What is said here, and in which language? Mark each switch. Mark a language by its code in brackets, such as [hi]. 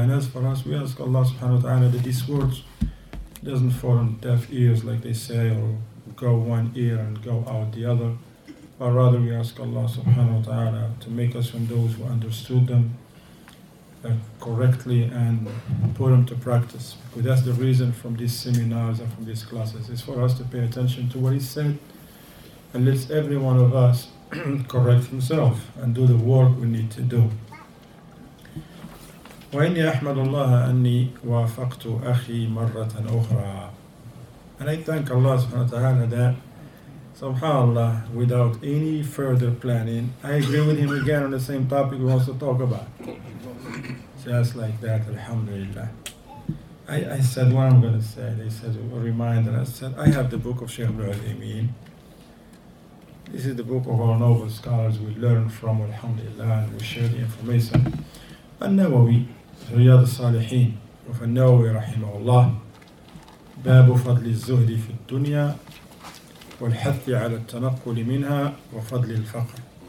[en] And as for us, we ask Allah subhanahu wa ta'ala that these words doesn't fall on deaf ears, like they say, or go one ear and go out the other, but rather we ask Allah subhanahu wa ta'ala to make us from those who understood them correctly and put them to practice. Because that's the reason from these seminars and from these classes, is for us to pay attention to what he said, and let every one of us correct himself and do the work we need to do. [ar] وإني أحمد الله أني وافقت أخي مرة أخرى. [en] And I thank Allah subhanahu wa ta'ala that, subhanAllah, without any further planning, I agree with him again on the same topic we want to talk about. just like that, alhamdulillah. I said what I'm going to say. They said a reminder. I said, I have the book of Shaykh Ibn al-Amin. This is the book of our noble scholars we learn from, alhamdulillah, and we share the information. [ar] An-Nawawi, Riyad al-Saliheen, of An-Nawawi, rahimahullah, باب فضل الزهد في الدنيا والحث على التنقل منها وفضل الفقر.